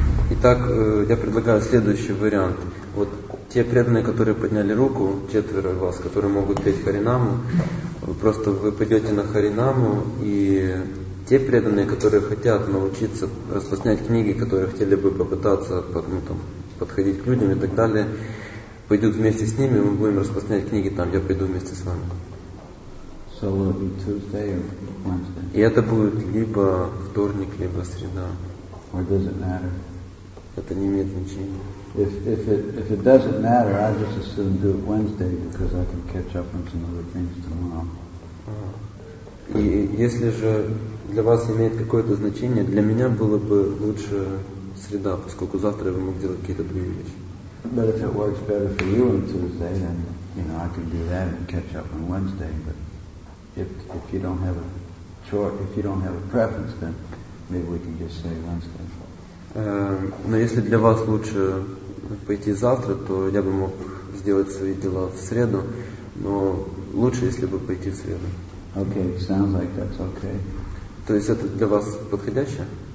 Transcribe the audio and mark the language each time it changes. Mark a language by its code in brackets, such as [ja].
[ru] Итак, я предлагаю следующий вариант. Вот те преданные, которые подняли руку, четверо вас, которые могут петь Харинаму, просто вы пойдете на Харинаму, и те преданные, которые хотят научиться распространять книги, которые хотели бы попытаться подходить к людям и так далее, пойдут вместе с ними, мы будем распространять книги там, я пойду вместе с вами. [en] So will it be Tuesday or Wednesday? [ru] И это будет либо вторник, либо среда. [en] Or does it matter? [ru] Это не имеет значения. [en] If it doesn't matter, I just assume do it Wednesday because I can catch up on some other things tomorrow. [ru] И если же для вас имеет какое-то значение, для меня было бы лучше среда, поскольку завтра я мог делать какие-то другие вещи. [en] But if it works better for you on Tuesday, then you know I can do that and catch up on Wednesday. But if you don't have a choice, if you don't have a preference, then maybe we can just say Wednesday. [ru] Но если для вас лучше пойти завтра, то я бы мог сделать свои дела в среду. Но лучше, если бы пойти в среду. [en] Okay, sounds like that's okay. [ru] То есть это для вас подходящее?